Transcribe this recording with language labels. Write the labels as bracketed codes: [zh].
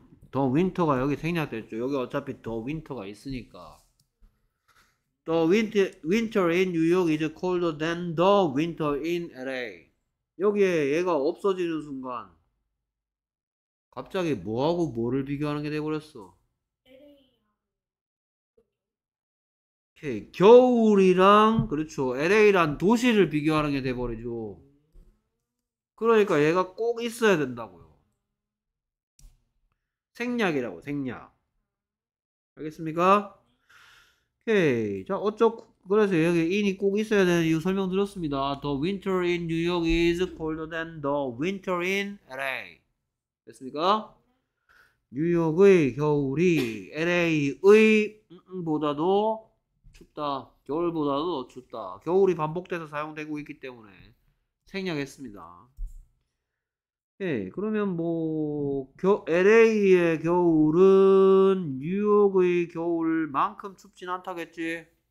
[ko] 더 윈터가 여기 생략됐죠. 여기 어차피 더 윈터가 있으니까. [en] Winter in New York is colder than the winter in LA. [ko] 여기에 얘가 없어지는 순간 갑자기 뭐하고 뭐를 비교하는 게 돼버렸어. [en] Okay. [ko] 겨울이랑, 그렇죠, LA란 도시를 비교하는 게 돼버리죠. 그러니까 얘가 꼭 있어야 된다고요. 생략이라고, 생략. 알겠습니까? 오케이. 자, 어쩌고, 그래서 여기 in이 꼭 있어야 되는 이유 설명드렸습니다. [en] The winter in New York is colder than the winter in LA. [ko] 됐습니까? 뉴욕의 겨울이 LA의 보다도 춥다. 겨울보다도 더 춥다. 겨울이 반복돼서 사용되고 있기 때문에 생략했습니다. 예, 그러면 뭐, LA의 겨울은 뉴욕의 겨울만큼 춥진 않다겠지?